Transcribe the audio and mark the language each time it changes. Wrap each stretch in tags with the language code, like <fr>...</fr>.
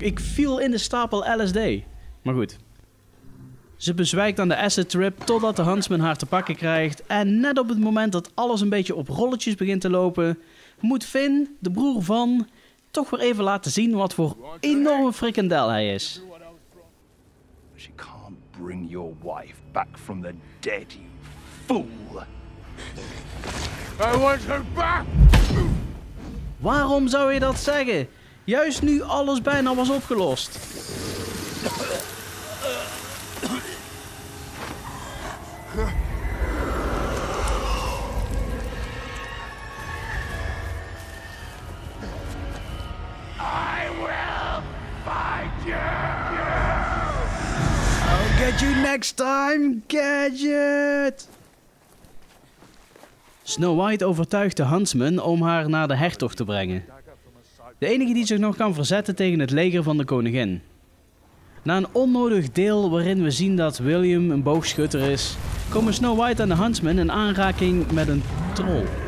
<nl>Ik viel in de stapel LSD. Maar goed. Ze bezwijkt aan de acid trip totdat de Huntsman haar te pakken krijgt. En net op het moment dat alles een beetje op rolletjes begint te lopen, moet Finn, de broer van, toch weer even laten zien wat voor enorme frikandel hij is.</nl> <en>She can't bring your wife back from the dead, you fool. I want her back!</en> <nl>Waarom zou je dat zeggen? Juist nu alles bijna was opgelost.</nl> <en>I will find you. I'll get you next time, Gadget.</en> <nl>Snow White overtuigt de Huntsman om haar naar de hertog te brengen. De enige die zich nog kan verzetten tegen het leger van de koningin. Na een onnodig deel waarin we zien dat William een boogschutter is, komen Snow White en de Huntsman in aanraking met een troll.</nl>